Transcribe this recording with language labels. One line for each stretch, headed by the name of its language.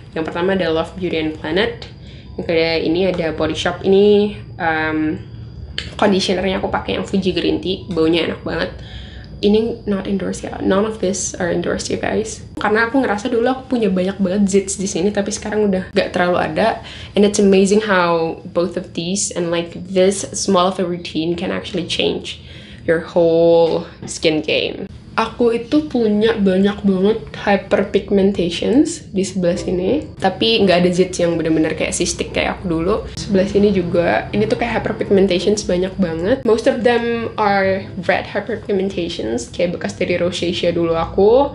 Indonesian: Yang pertama ada Love Beauty and Planet. Yang kedua ini ada Body Shop. Ini conditionernya aku pakai yang Fuji Green Tea. Baunya enak banget.
English: Ini not endorsed ya. None of this are endorsed, you guys.
Indonesian: Karena aku ngerasa dulu aku punya banyak banget zits di sini, tapi sekarang udah gak terlalu ada.
English: And it's amazing how both of these and like this small of a routine can actually change your whole skin game.
Indonesian: Aku itu punya banyak banget hyperpigmentations di sebelah sini, tapi nggak ada zits yang benar-benar kayak cystic kayak aku dulu. Sebelah sini juga, ini tuh kayak hyperpigmentations banyak banget.
English: Most of them are red hyperpigmentations, kayak bekas dari rosacea dulu aku.